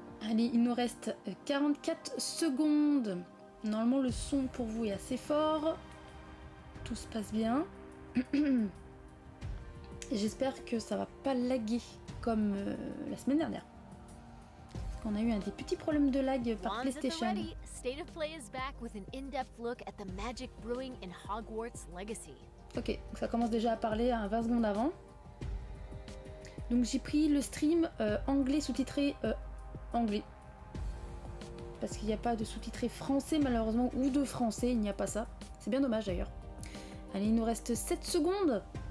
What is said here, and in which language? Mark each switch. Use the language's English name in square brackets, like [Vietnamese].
[French] Allez, il nous reste 44 secondes. Normalement, le son pour vous est assez fort. Tout se passe bien. Et j'espère que ça va pas laguer comme la semaine dernière. On a eu un des petits problèmes de lag par PlayStation. [English] State of Play is back with an in-depth look at the magic brewing in Hogwarts Legacy. [French] Ok, ça commence déjà à parler à 20 secondes avant. Donc j'ai pris le stream anglais sous-titré anglais. Parce qu'il n'y a pas de sous-titré français malheureusement, ou de français, il n'y a pas ça. C'est bien dommage d'ailleurs. Allez, il nous reste 7 secondes.